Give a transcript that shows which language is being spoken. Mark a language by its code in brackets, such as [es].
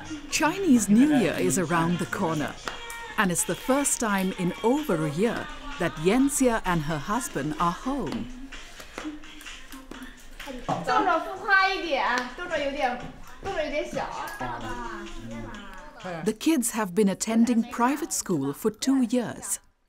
[en] Chinese New Year is around the corner, and it's the first time in over a year that Yanxia and her husband are home. [zh] 动手浮夸一点，动作有点小。 [en] The kids have been attending private school for 2 years.